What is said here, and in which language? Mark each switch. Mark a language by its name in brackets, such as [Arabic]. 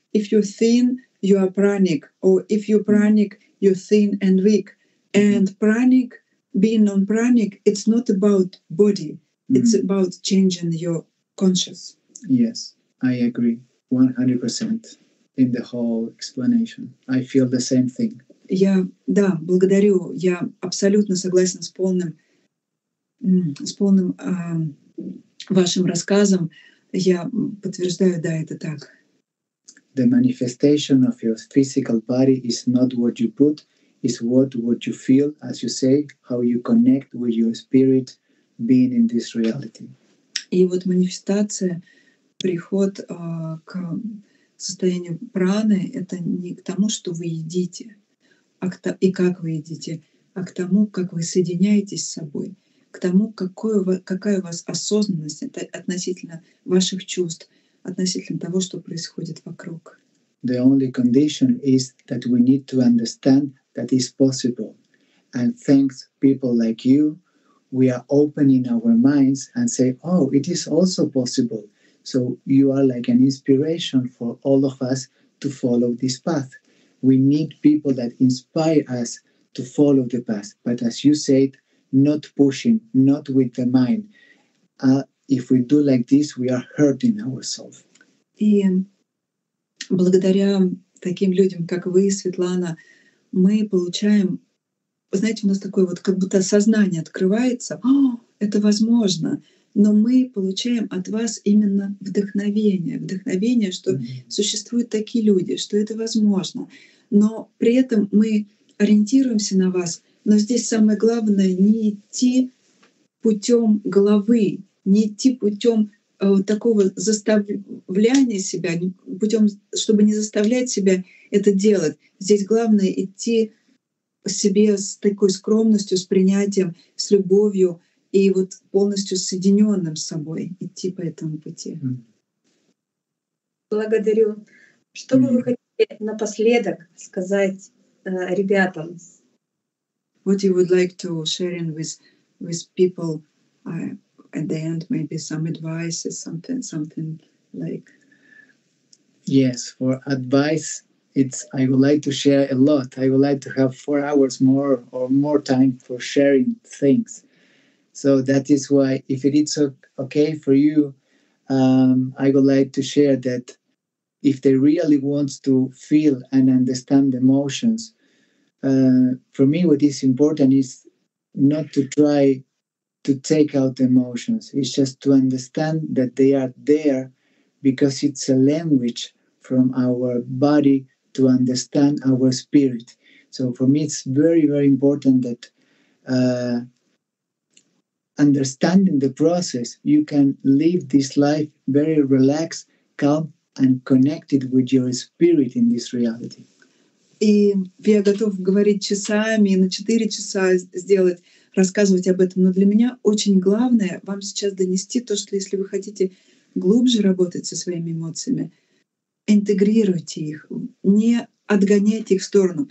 [English] If you're thin, you are pranic. Or if you're pranic, you're thin and weak. And pranic, being non-pranic, it's not about body. It's about changing your consciousness. Yes, I agree 100% in the whole explanation. I feel the same thing. [Russian] Я, да, благодарю. Я абсолютно согласна с полным вашим рассказом. Я подтверждаю, да, это так. [English] The manifestation of your physical body is not what you put, it's what you feel, as you say, how you connect with your spirit being in this reality. [Russian] И вот манифестация, приход к состоянию праны, это не к тому, что вы едите, и как вы едите, а к тому, как вы соединяетесь с собой, к тому, какая у вас осознанность это относительно ваших чувств, относительно того, что происходит вокруг. [English] The only condition is that we need to understand that it's possible. And thanks people like you, we are opening our minds and say, oh, it is also possible. So you are like an inspiration for all of us to follow this path. We need people that inspire us to follow the path. But as you said, not pushing, not with the mind. If we do like this, we are hurting ourselves. [Russian] И благодаря таким людям, как вы, Светлана, мы получаем, знаете, у нас такое вот как будто сознание открывается. О, это возможно. Но мы получаем от вас именно вдохновение. Вдохновение, что существуют такие люди, что это возможно. Но при этом мы ориентируемся на вас. Но здесь самое главное — не идти путем головы, не идти путем такого заставляния себя, путем, чтобы не заставлять себя это делать. Здесь главное — идти себе с такой скромностью, с принятием, с любовью и вот полностью соединенным с собой идти по этому пути. Благодарю. Что бы вы хотели напоследок сказать ребятам? [English] What you would like to share with people at the end, maybe some advice or something like? Yes, for advice, I would like to share a lot. I would like to have 4 hours more or more time for sharing things. So that is why, if it is okay for you, I would like to share that if they really want to feel and understand emotions, for me, what is important is not to try to take out emotions. It's just to understand that they are there because it's a language from our body to understand our spirit. So for me, it's very, very important that understanding the process, you can live this life very relaxed, calm, and connected with your spirit in this reality. [Russian] И я готов говорить часами, на 4 часа сделать, рассказывать об этом. Но для меня очень главное вам сейчас донести то, что если вы хотите глубже работать со своими эмоциями, интегрируйте их, не отгоняйте их в сторону.